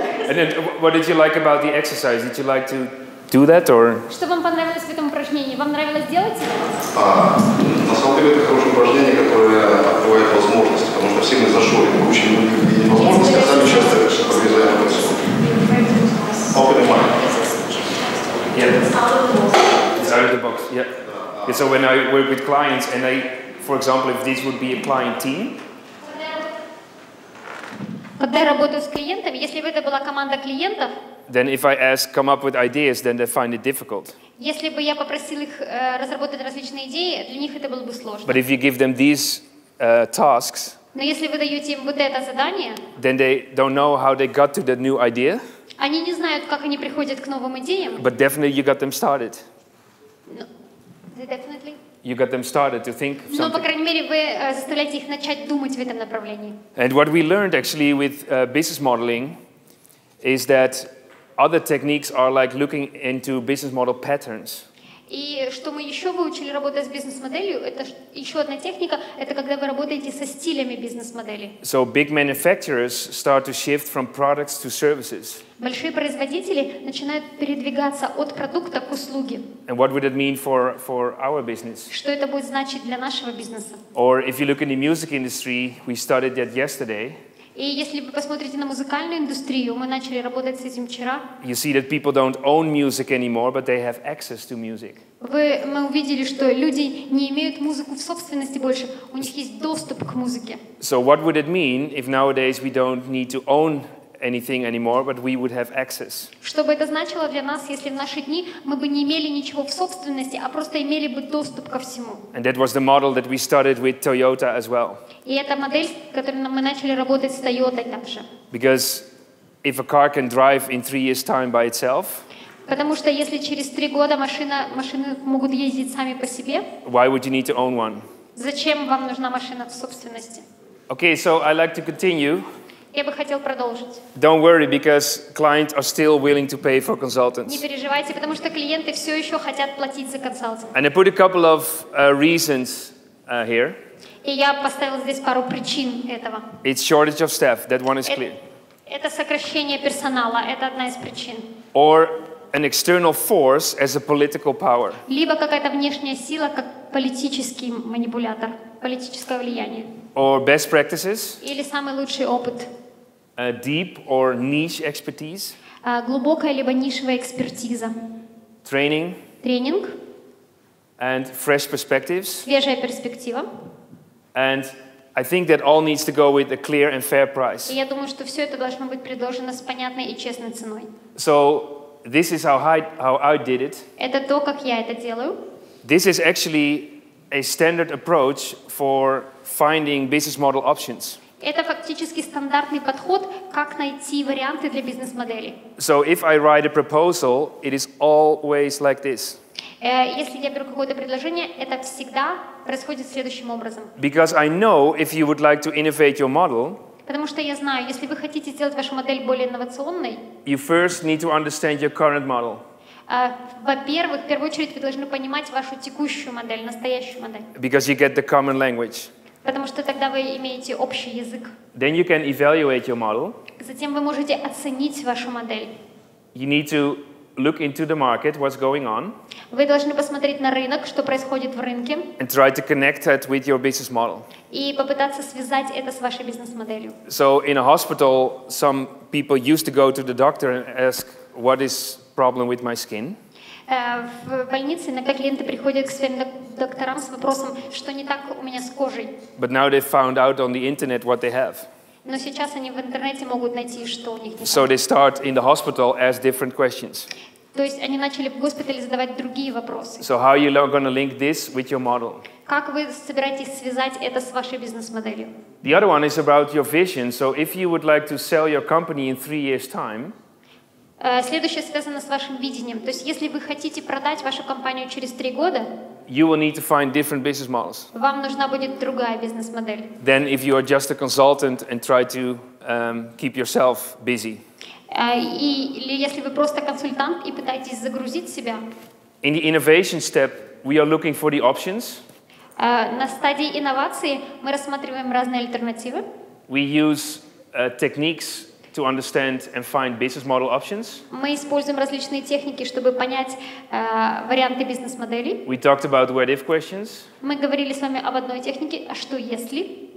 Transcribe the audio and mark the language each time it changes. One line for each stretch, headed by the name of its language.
English: And then, what did you like about the exercise? Did you like to do that, or?
Russian: Что вам понравилось в этом упражнении? Вам нравилось делать это? На самом деле это хорошее упражнение, которое открывает возможности, потому что все мы зашли, мы очень многие возможности, а сами часто повезаем в этом.
English: Open mind. Yeah. Out of the box. Yeah. So when I work with clients, and I, for example, if this would be a client team.
Russian: Когда я работаю с клиентами, если бы это была команда клиентов,
English: then if I ask, come up with ideas, then they find it difficult.
Russian: Если бы я попросил их разработать различные идеи, для них это было бы сложно.
English: But if you give them these tasks,
Russian: но если вы даете им вот это задание,
English: then they don't know how they got to the new idea.
Russian: Они не знают, как они приходят к новым идеям.
English: But definitely you got them started. No, they definitely. You got them started to think of something.
Russian: Но, по крайней мере, вы заставляете их начать думать в этом направлении.
English: And what we learned actually with business modeling is that other techniques are like looking into business model patterns.
Russian: И что мы еще выучили, работая с бизнес-моделью, это еще одна техника, это когда вы работаете со стилями бизнес-модели.
English: So big manufacturers start to shift from products to services.
Russian: Большие производители начинают передвигаться от продукта к услуге.
English: And what would it mean for our business?
Russian: Что это будет значить для нашего бизнеса?
English: Or if you look in the music industry, we started that yesterday.
Russian: И если вы посмотрите на музыкальную индустрию, мы начали работать с этим вчера.
English: You see that people don't own music anymore, but they have access to music.
Russian: Мы увидели, что люди не имеют музыку в собственности больше, у них есть доступ к музыке.
English: So what would it mean if nowadays we don't need to own anything anymore, but we would have access?
Russian: Что бы это значило для нас, если в наши дни мы бы не имели ничего в собственности, а просто имели бы доступ ко всему?
English: And that was the model that we started with Toyota as well.
Russian: И это модель, которую мы начали работать с Toyota также.
English: Because if a car can drive in 3 years' time by itself,
Russian: потому что если через 3 года машины могут ездить сами по себе,
English: why would you need to own one?
Russian: Зачем вам нужна машина в собственности?
English: Okay, so I'd like to continue.
Russian: Я бы хотел продолжить.
English: Don't worry, because clients are still willing to pay for consultants.
Russian: Не переживайте, потому что клиенты все еще хотят платить за консалтинг.
English: And I put a couple of reasons here.
Russian: И я поставил здесь пару причин этого.
English: It's shortage of staff. That one is clear.
Russian: Это сокращение персонала. Это одна из причин.
English: Or an external force as a political power.
Russian: Либо какая-то внешняя сила, как политический манипулятор, политическое влияние.
English: Or best practices.
Russian: Или самый лучший опыт.
English: A deep or niche expertise.
Russian: Глубокая либо нишевая экспертиза.
English: Training.
Russian: Тренинг.
English: And fresh perspectives.
Russian: Свежая перспектива.
English: And I think that all needs to go with a clear and fair price.
Russian: И я думаю, что все это должно быть предложено с понятной и честной ценой.
English: So this is how I did it.
Russian: Это то, как я это делаю.
English: This is actually a standard approach for finding business model options.
Russian: Это фактически стандартный подход, как найти варианты для бизнес-модели.
English: So if I write a proposal, it is always like this.
Russian: Если я беру какое-то предложение, это всегда происходит следующим образом.
English: Because I know if you would like to innovate your model.
Russian: Потому что я знаю, если вы хотите сделать вашу модель более инновационной.
English: You first need to understand your current model.
Russian: Во-первых, в первую очередь вы должны понимать вашу текущую модель, настоящую модель.
English: Because you get the common language.
Russian: Потому что тогда вы имеете общий язык.
English: Then you can evaluate your model.
Russian: Затем вы можете оценить вашу модель.
English: You need to look into the market, what's going on.
Russian: Вы должны посмотреть на рынок, что происходит в рынке.
English: And try to connect that with your business model.
Russian: И попытаться связать это с вашей бизнес-моделью.
English: So in a hospital, some people used to go to the doctor and ask, what is problem with my skin?
Russian: В больнице иногда клиенты приходят к своим докторам с вопросом, что не так у меня с кожей.
English: But now they found out on the internet what they have.
Russian: Но сейчас они в интернете могут найти, что у них не так.
English: So they start in the hospital ask different questions.
Russian: То есть они начали в госпитале задавать другие вопросы.
English: So how are you going to link this with your model?
Russian: Как вы собираетесь связать это с вашей бизнес-моделью?
English: The other one is about your vision. So if you would like to sell your company in 3 years' time,
Russian: Следующее связано с вашим видением. То есть, если вы хотите продать вашу компанию через 3 года,
English: you will need to find different business models.
Russian: Вам нужна будет другая бизнес-модель.
English: Then, if you are just a consultant and try to keep yourself busy.
Russian: Или если вы просто консультант и пытаетесь загрузить себя.
English: In the innovation step, we are looking for the options.
Russian: На стадии инновации мы рассматриваем разные альтернативы.
English: We use techniques to understand and find business model options.
Russian: Мы используем различные техники, чтобы понять варианты бизнес-моделей.
English: We talked about what if questions.
Russian: Мы говорили с вами об одной технике, а что если?